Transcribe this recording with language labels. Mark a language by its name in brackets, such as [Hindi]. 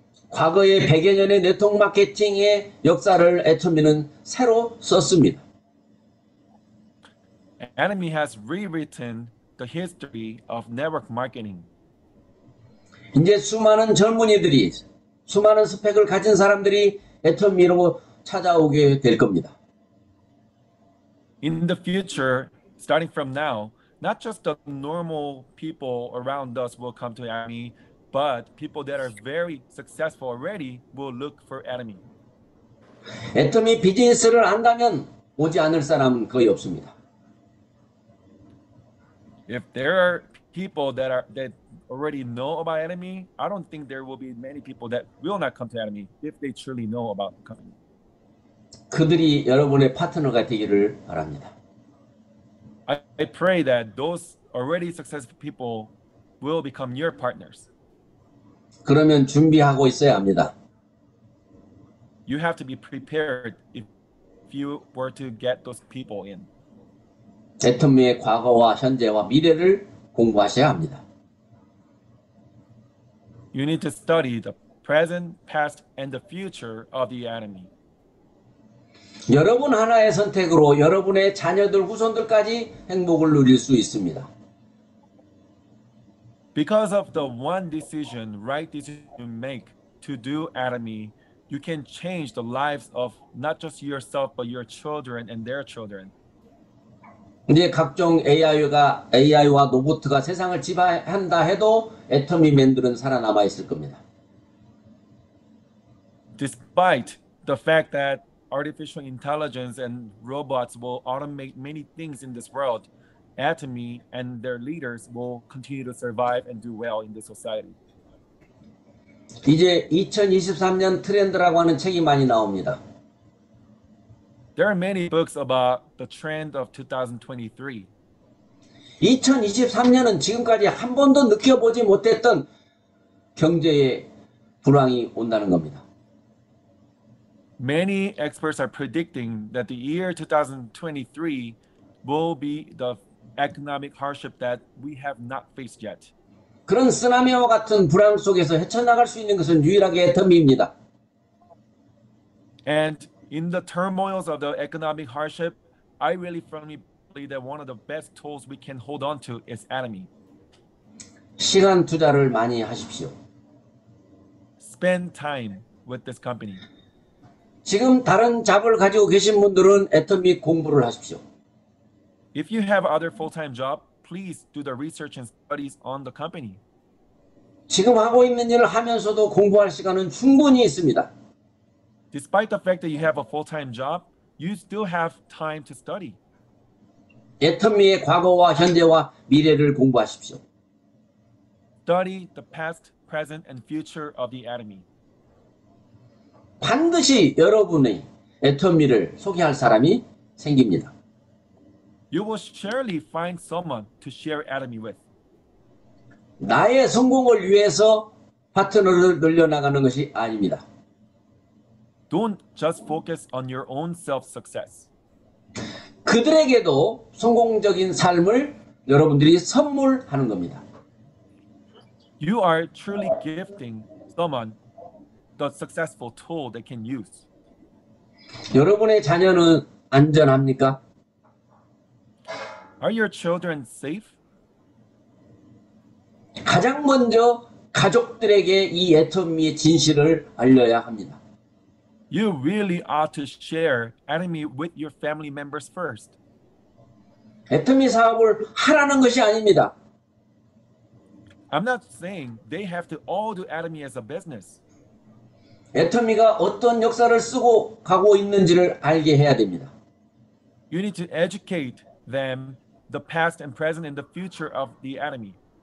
[Korean] 과거의 100여 년의 네트워크 마케팅의 역사를 애터미는 새로 썼습니다. [English] Atomy has rewritten the history of network marketing. [Korean] 이제 수많은 젊은이들이, 수많은 스펙을 가진 사람들이 애터미로 찾아오게 될 겁니다. [English] In the future, starting from now, not just the normal people around us will come to Atomy, but people that are very successful already will look for Atomy. [Korean] Atomy 비즈니스를 안다면 오지 않을 사람은 거의 없습니다. [English] If there are people that already know about Atomy, I don't think there will be many people that will not come to Atomy if they truly know about the company. [Korean] 그들이 여러분의 파트너가 되기를 바랍니다. [English] I pray that those already successful people will become your partners. [Korean] 그러면 준비하고 있어야 합니다. [English] You have to be prepared if you were to get those people in. [Korean] 애터미의 과거와 현재와 미래를 공부하셔야 합니다. [English] You need to study the present, past, and the future of the Atomy. [Korean] 여러분 하나의 선택으로 여러분의 자녀들, 후손들까지 행복을 누릴 수 있습니다. [English] Because of the one decision, right decision you make to do Atomy, you can change the lives of not just yourself, but your children and their children. [Korean] 이제 각종 AI와 로봇가 세상을 지배한다 해도 애터미맨들은 살아남아 있을 겁니다. [English] Despite the fact that artificial intelligence and robots will automate many things in this world, Atomy and their leaders will continue to survive and do well in this society. [Korean] 이제 2023년 트렌드라고 하는 책이 많이 나옵니다. [English] There are many books about the trend of 2023. [Korean] 2023년은 지금까지 한 번도 느껴보지 못했던 경제의 불황이 온다는 겁니다. [English] Many experts are predicting that the year 2023 will be the economic hardship that we have not faced yet. [Korean] 그런 쓰나미와 같은 불황 속에서 헤쳐나갈 수 있는 것은 유일하게 애터미입니다. [English] And in the turmoils of the economic hardship, I really firmly believe that one of the best tools we can hold on to is Atomy. [Korean] 시간 투자를 많이 하십시오. [English] Spend time with this company. [Korean] 지금 다른 잡을 가지고 계신 분들은 애터미 공부를 하십시오. [English] If you have other full-time job, please do the research and studies on the company. [Korean] 지금 하고 있는 일을 하면서도 공부할 시간은 충분히 있습니다. [English] Despite the fact that you have a full-time job, you still have time to study. [Korean] 애터미의 과거와 현재와 미래를 공부하십시오. [English] Study the past, present, and future of the Atomy. [Korean] 반드시 여러분의 애터미를 소개할 사람이 생깁니다. [English] You will surely find someone to share Atomy with. [Korean] 나의 성공을 위해서 파트너를 늘려나가는 것이 아닙니다. [English] Don't just focus on your own self-success. [Korean] 그들에게도 성공적인 삶을 여러분들이 선물하는 겁니다. [English] You are truly gifting someone the successful tool they can use. [Korean] 여러분의 자녀는 안전합니까? [English] Are your children safe? [Korean] 가장 먼저 가족들에게 이 애터미의 진실을 알려야 합니다. [English] You really ought to share Atomy with your family members first. [Korean] 애터미 사업을 하라는 것이 아닙니다. [English] I'm not saying they have to all do Atomy as a business. [Korean] 애터미가 어떤 역사를 쓰고 가고 있는지를 알게 해야 됩니다. [English] You need to educate them the past and present and the future of the atomy.